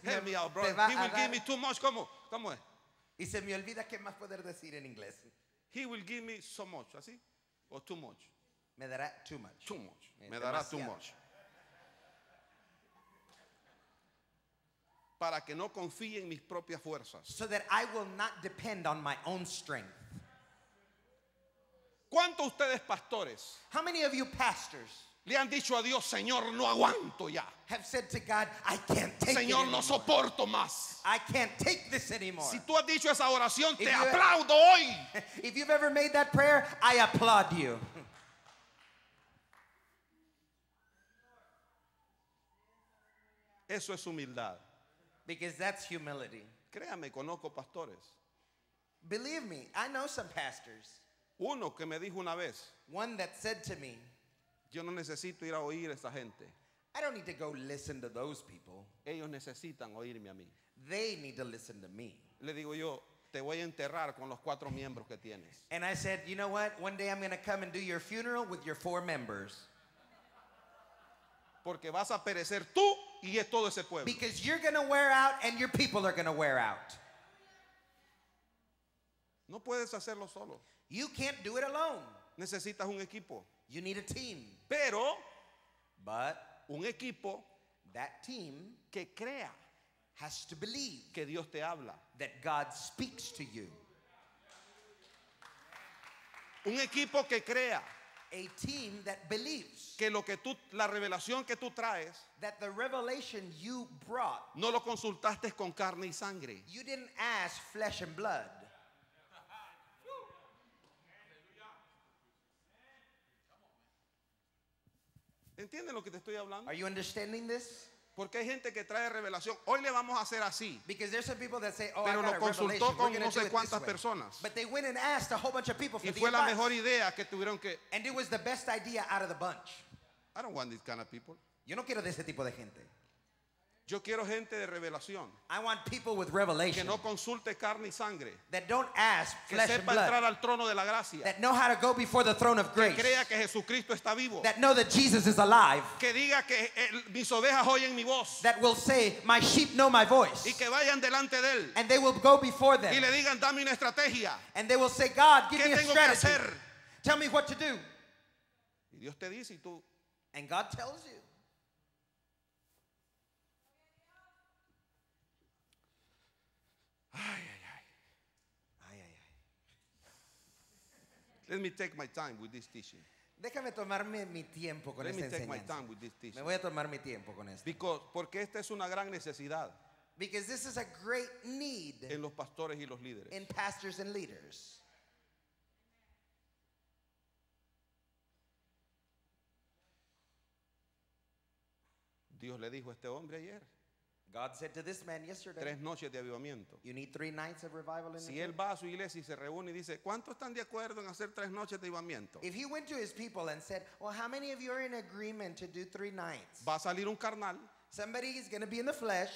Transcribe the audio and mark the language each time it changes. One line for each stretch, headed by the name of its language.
English: help me out, brother. He will give me too much.
Spanish: ¿Cómo? ¿Cómo es? Y se me olvida qué más poder decir en inglés.
English: He will give me so much.
Spanish: ¿Así? O
English: too much.
Spanish: Me dará
English: too much. Too much.
Spanish: Me dará
English: too much.
Spanish: Para que no confíe en mis propias fuerzas.
English: So that I will not depend on my own strength.
Spanish: ¿Cuántos ustedes pastores?
English: How many of you pastors?
Spanish: Le han dicho a Dios, Señor, no aguanto ya.
English: Have said to God, I can't take
Spanish: Señor,
English: it anymore.
Spanish: Señor, no soporto más.
English: I can't take this anymore.
Spanish: Si tú has dicho esa oración, te aplaudo hoy.
English: If you've ever made that prayer, I applaud you.
Spanish: Eso es humildad.
English: Because that's humility.
Spanish: Créame, conozco pastores.
English: Believe me, I know some pastors.
Spanish: Uno que me dijo una vez.
English: One that said to me.
Spanish: Yo no necesito ir a oír a esa gente.
English: I don't need to go listen to those people.
Spanish: Ellos necesitan oírme a mí.
English: They need to listen to me.
Spanish: Le digo yo, te voy a enterrar con los cuatro miembros que tienes.
English: And I said, you know what? One day I'm going to come and do your funeral with your four members.
Spanish: Porque vas a perecer tú y es todo ese pueblo.
English: Because you're going to wear out and your people are going to wear out.
Spanish: No puedes hacerlo solo.
English: You can't do it alone.
Spanish: Necesitas un equipo.
English: You need a team.
Spanish: Pero,
English: but
Spanish: un equipo,
English: that team
Spanish: que crea,
English: has to believe
Spanish: que Dios te habla,
English: that God speaks to you.
Spanish: Un equipo que crea,
English: a team that believes
Spanish: que lo que tú, la revelación que tú traes,
English: that the revelation you brought,
Spanish: no lo consultaste con carne y sangre.
English: You didn't ask flesh and blood.
Spanish: ¿Entienden lo que te estoy hablando?
English: Are you understanding this?
Spanish: Porque hay gente que trae revelación. Hoy le vamos a hacer así.
English: Because there's some people that say, oh,
Spanish: pero
English: I got
Spanish: lo consultó
English: a revelation.
Spanish: Con no sé cuántas personas.
English: But they went and asked a whole bunch of people for
Spanish: y
English: the
Spanish: fue
English: advice.
Spanish: La mejor idea que tuvieron que.
English: And it was the best idea out of the bunch. I don't want these kind of people.
Spanish: Yo no quiero de ese tipo de gente. Yo quiero gente de revelación.
English: I want people with revelation.
Spanish: Que no consulte carne y sangre.
English: That don't ask flesh and blood.
Spanish: Que sepa entrar al trono de la gracia.
English: That know how to go before the throne of grace.
Spanish: Que crea que Jesucristo está vivo.
English: That know that Jesus is alive.
Spanish: Que diga que mis ovejas oyen mi voz.
English: That will say my sheep know my voice.
Spanish: Y que vayan delante de él.
English: And they will go before them.
Spanish: Y le digan dame una estrategia.
English: And they will say God give me a strategy.
Spanish: ¿Qué tengo que hacer?
English: Tell me what to do.
Spanish: Y Dios te dice y tú.
English: And God tells you. Ay, ay, ay. Let me take my time with this teaching.
Spanish: Déjame tomarme mi tiempo con
English: Let
Spanish: esta
English: me take
Spanish: enseñanza.
English: My time with this teaching.
Spanish: Me voy a tomar mi tiempo con esto.
English: Because
Spanish: porque esta es una gran necesidad.
English: Because this is a great need.
Spanish: En los pastores y los líderes.
English: In pastors and leaders.
Spanish: Dios le dijo a este hombre ayer.
English: God said to this man yesterday,
Spanish: tres noches de avivamiento.
English: You need three nights of revival in
Spanish: si él va a su iglesia y se reúne y dice, ¿cuántos están de acuerdo en hacer tres noches de avivamiento?
English: If he went to his people and said, well, how many of you are in agreement to do three nights?
Spanish: Va a salir un carnal.
English: Somebody is going to be in the flesh.